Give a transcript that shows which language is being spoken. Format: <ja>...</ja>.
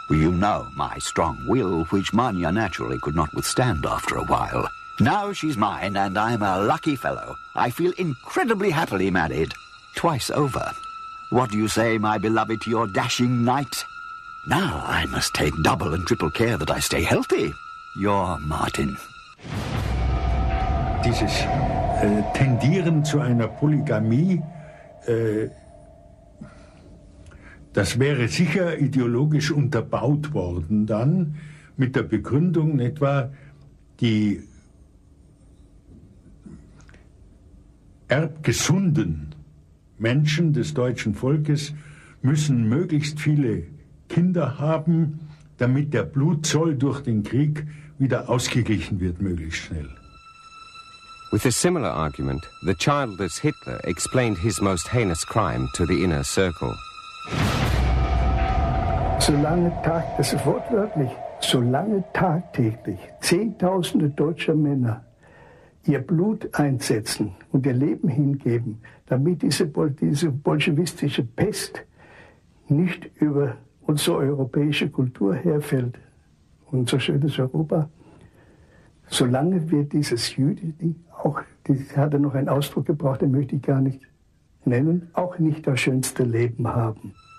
<en>You know my strong will, which Manya naturally could not withstand after a while. Now she's mine and I'm a lucky fellow. I feel incredibly happily married, twice over. What do you say, my beloved, to your dashing knight? Now I must take double and triple care that I stay healthy. Your Martin."</en> <de>Dieses Tendieren zu einer Polygamie, das wäre sicher ideologisch unterbaut worden dann, mit der Begründung, etwa die erbgesunden Menschen des deutschen Volkes müssen möglichst viele Kinder haben, damit der Blutzoll durch den Krieg wieder ausgeglichen wird, möglichst schnell.</de> <en>With a similar argument, the childless Hitler explained his most heinous crime to the inner circle.</en> <de>Solange tagtäglich, das ist wortwörtlich, solange tagtäglich Zehntausende deutscher Männer ihr Blut einsetzen und ihr Leben hingeben, damit diese bolschewistische Pest nicht über unsere europäische Kultur herfällt, unser schönes Europa, solange wird dieses Jüdische auch, das hat er noch einen Ausdruck gebraucht, den möchte ich gar nicht nennen, auch nicht das schönste Leben haben.</de>